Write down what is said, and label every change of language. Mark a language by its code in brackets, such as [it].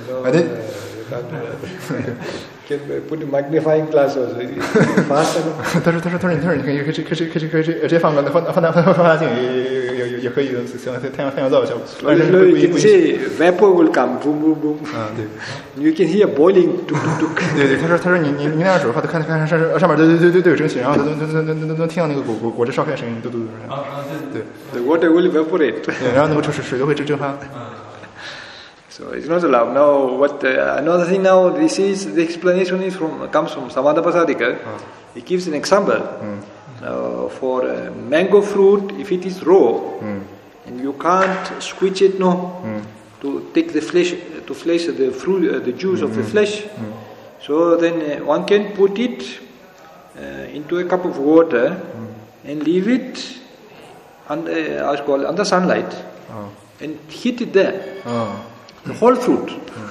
[en] No, and then, can put a magnifying glass also. Faster. [zh] 他说，你可以直接放大镜也可以，像太阳照的效果。 [en] No, no, you can see vapor will come, boom, boom, boom. [zh] 对。 [en] You can hear boiling, dook, dook, dook. [zh] 对，他说你那样煮的话，看上面都有蒸汽，然后都听到那个果汁烧开的声音，嘟嘟嘟。对。对。 [en] The water will evaporate. [zh] 对，然后那个水都会蒸发。 [en] So it's not allowed. Now, what another thing now, this is, the explanation is from, comes from Samada Basarika. He gives an example. For a mango fruit, if it is raw, and you can't squeeze it, to take the flesh, to flesh the fruit, the juice of the flesh, so then one can put it into a cup of water and leave it under, under sunlight and heat it there. The whole fruit.